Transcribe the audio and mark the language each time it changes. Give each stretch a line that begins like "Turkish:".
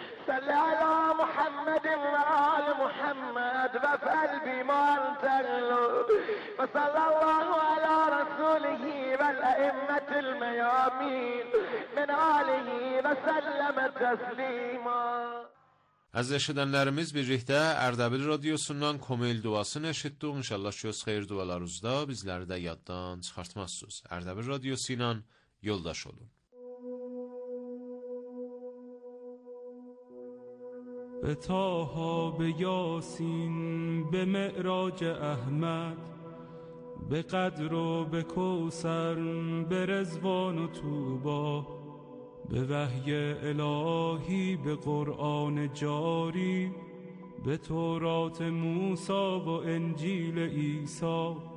Arabic: صل على محمد وآل محمد وقلبي ما انتلو وصلى الله على رسوله والأئمة الميامين من آله وسلم تسليما.
Azerbaijani: Əziz eşidənlərimiz, birlikdə Ərdəbil Radiosundan Komil duasını eşitdi. İnşallah söz xeyir dualarınızda bizləri də yaddan çıxartmazsınız. Ərdəbil Radiosu ilə yoldaş olun.
Persian: Be Taha, be Yasin, be Me'raj Ahmed, be Qadr, be Kousar, be Rezvan u Tuba, به وحی الهی، به قرآن جاری، به تورات موسی و انجیل عیسی،